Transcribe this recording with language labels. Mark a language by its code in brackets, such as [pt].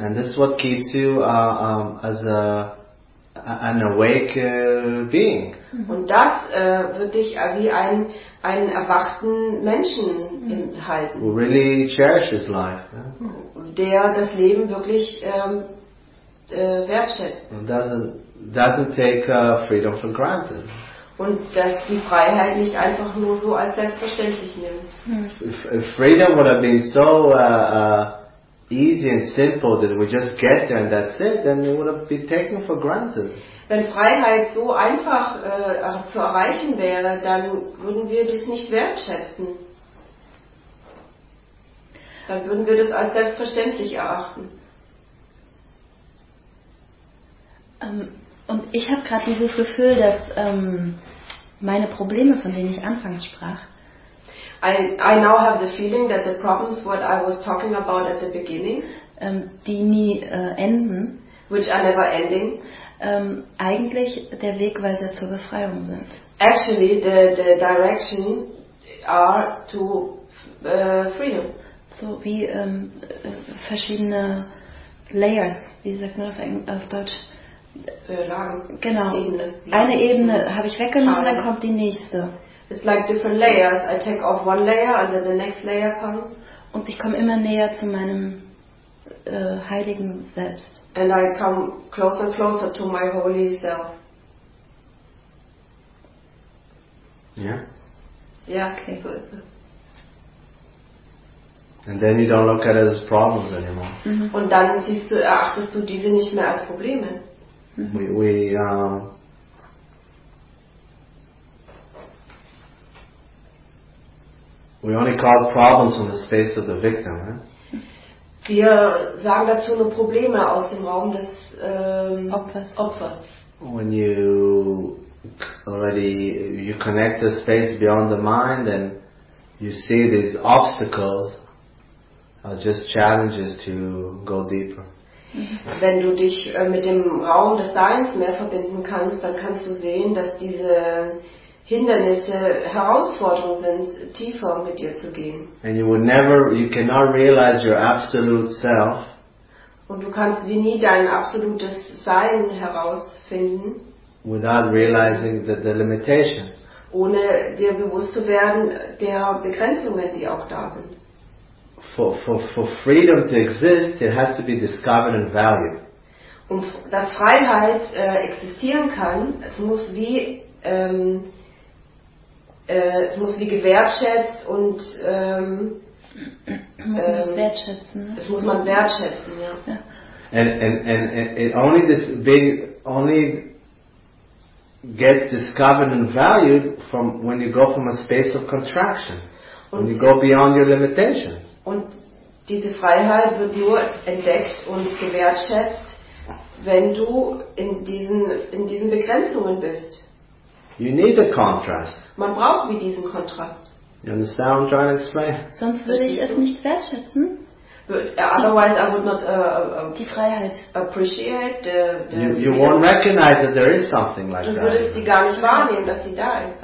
[en] And this is what keeps you as an awake being. [de] Und das wird dich wie einen erwachten Menschen halten. [en] Who really cherishes life. Yeah? [de] Der das Leben wirklich wertschätzt. [en] And doesn't take freedom for granted. [de] Und dass die Freiheit nicht einfach nur so als selbstverständlich nimmt. [en] If freedom would have been so easy and simple that we just get there and that's it, then it would have been taken for granted. [de] Wenn Freiheit so einfach zu erreichen wäre, dann würden wir das nicht wertschätzen. Dann würden wir das als selbstverständlich erachten. Und ich habe gerade dieses Gefühl, dass meine Probleme, von denen ich anfangs sprach, [en] I now have the feeling that the problems, what I was talking about at the beginning, [de] die nie enden, [en] which are never ending, [de] eigentlich der Wegweiser zur Befreiung sind. [en] Actually, the direction are to freedom. [de] So wie verschiedene Layers, wie sagt man auf Deutsch? Lagen. Genau. Eine Ebene habe ich weggenommen, dann kommt die nächste. [en] It's like different layers. I take off one layer and then the next layer comes. [de] Und ich komme immer näher zu meinem heiligen Selbst. [en] And I come closer and closer to my holy self. Yeah? [de] Yeah, okay, so ist es. [en] And then you don't look at it as problems anymore. Mm-hmm. [de] Und dann siehst du, erachtest du diese nicht mehr als Probleme. Mm-hmm. [en] We only call problems from the space of the victim, right? [de] Wir sagen dazu nur Probleme aus dem Raum des Opfers. [en] When you already you connect the space beyond the mind, then you see these obstacles. just challenges to go deeper. [de] Wenn du dich mit dem Raum des Seins mehr verbinden kannst, dann kannst du sehen, dass diese Hindernisse Herausforderungen sind, tiefer mit dir zu gehen. [en] And you would never, you cannot realize your absolute self. [de] Und du kannst wie nie dein absolutes Sein herausfinden. [en] Without realizing the limitations. [de] Ohne dir bewusst zu werden der Begrenzungen, die auch da sind. [en] For freedom to exist, it has to be discovered and valued. [de] Um dass Freiheit existieren kann, es muss wie gewertschätzt und es muss man wertschätzen, ja. [en] And only this being only gets discovered and valued from when you go from a space of contraction, when you go beyond your limitations. [de] Und diese Freiheit wird nur entdeckt und gewertschätzt, wenn du in diesen Begrenzungen bist. [en] You need a contrast. [de] Man braucht wie diesen Kontrast. [en] You understand what I'm trying to explain? [de] Sonst würde ich es nicht wertschätzen. [en] Otherwise, I would not [de] die Freiheit [en] appreciate. You won't recognize that there is something like that. [de] Du würdest die gar nicht wahrnehmen, dass sie da ist.